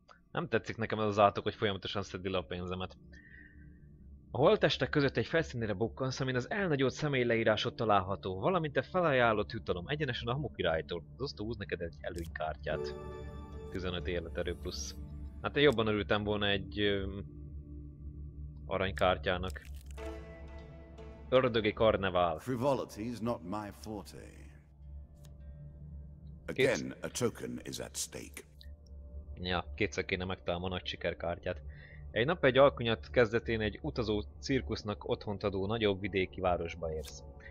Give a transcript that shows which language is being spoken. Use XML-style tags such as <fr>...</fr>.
<hu>Nem tetszik nekem ez az átok, hogy folyamatosan szedi le a pénzemet. A holttestek között egy felszínére bukkansz, amin az elnagyolt személy leírásod található, valamint a felajánlott jutalom egyenesen a Hamu királytól. Az osztó húz neked egy előnykártyát. 15 életerő plusz. Hát én jobban örültem volna egy aranykártyának. Ördögi karnevál.</hu> <en>Frivolity is not my forte. Again, a token is at stake.</en> <hu>Ja, kétszer kéne megtalálom a nagy sikerkártyát. Egy nap egy alkonyat kezdetén egy utazó cirkusznak otthont adó nagyobb vidéki városba érsz.</hu>